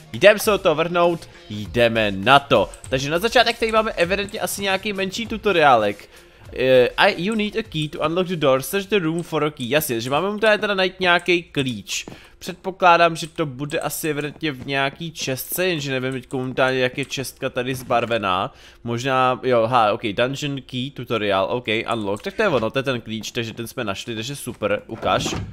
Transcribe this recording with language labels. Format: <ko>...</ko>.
<cs>Jdeme se o to vrhnout, jdeme na to. Takže na začátek tady máme evidentně asi nějaký menší tutoriálek.</cs> <en>You need a key to unlock the door, search the room for a key.</en> <cs>Jasně, že máme mu teda najít nějaký klíč. Předpokládám, že to bude asi evidentně v nějaký čestce, jenže nevím teď komentálně, jak je čestka tady zbarvená. Možná, jo, ha, ok, dungeon key tutorial, ok, unlock, tak to je ono, to je ten klíč, takže ten jsme našli, takže super, ukáž.</cs>